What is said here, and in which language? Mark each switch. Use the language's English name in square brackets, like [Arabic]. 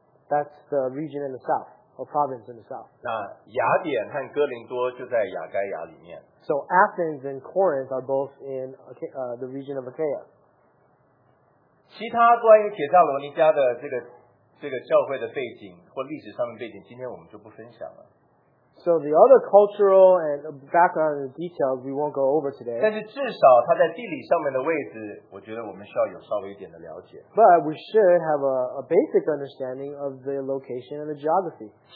[English] That's the region in the south, or province in the south. [Chinese] 那雅典和哥林多就在雅盖亚里面。 [English] So Athens and Corinth are both in the region of Achaia. [Chinese] 其他关于铁萨罗尼迦的这个教会的背景或历史上的背景，今天我们就不分享了。 [English] So the other cultural and background details we won't go over today. [Chinese] 但是至少它在地理上面的位置，我觉得我们需要有稍微一点的了解。 [English] But we should have a basic understanding of the location and the geography.